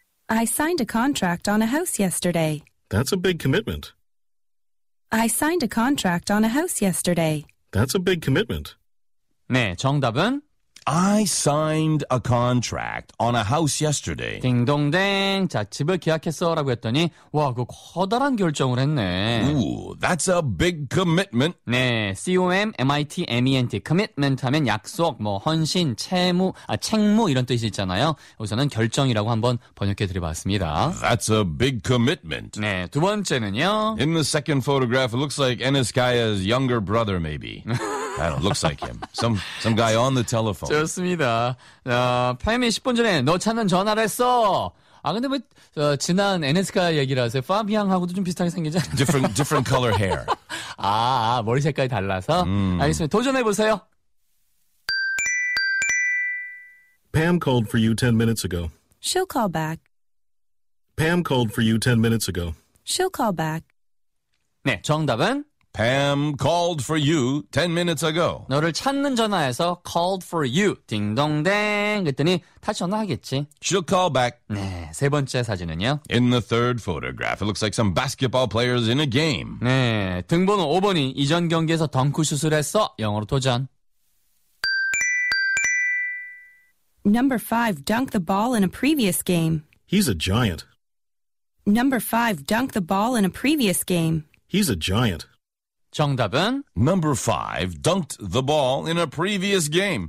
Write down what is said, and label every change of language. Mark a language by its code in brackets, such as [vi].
[en] I signed a contract on a house yesterday. That's a big commitment. I signed a contract on a house yesterday. That's a big commitment. [ko] 네, 정답은? [en] I signed a contract on a house yesterday. [ko] 딩동댕. 자, 집을 계약했어라고 했더니 와, 그 커다란 결정을 했네. [en] Ooh, that's a big commitment. [ko] 네, C-O-M-M-I-T-M-E-N-T. commitment 하면 약속, 뭐 헌신, 채무, 아, 책무 이런 뜻이 있잖아요. 우선은 결정이라고 한번 번역해 드려봤습니다. [en] That's a big commitment. [ko] 네, 두 번째는요. [en] In the second photograph, it looks like Enes-Kaya's younger brother, maybe. I don't know, looks like him. Some guy on the telephone. [ko] 좋습니다. 팸이 10분 전에 너 찾는 전화를 했어. 아, 근데 왜, 지난 NSK 얘기라서 파비앙하고도 좀 비슷하게 생기지 않나? [en] Different color hair. [ko] 아, 머리 색깔이 달라서? 알겠습니다. 도전해보세요. [en] Pam called for you 10 minutes ago. She'll call back. Pam called for you 10 minutes ago. She'll call back. [ko] 네, 정답은? [en] Pam called for you 10 minutes ago. [ko] 너를 찾는 전화에서 [en] called for you. [ko] 딩동댕. 그랬더니 다시 전화하겠지. [en] She'll call back. [ko] 네, 세 번째 사진은요. [en] In the third photograph, it looks like some basketball players in a game. [ko] 네, 등번호 5번이 이전 경기에서 덩크슛을 했어. 영어로 도전. [en] Number 5 dunked the ball in a previous game. He's a giant. Number 5 dunked the ball in a previous game. He's a giant. [ko] 정답은 [en] Number 5 dunked the ball in a previous game.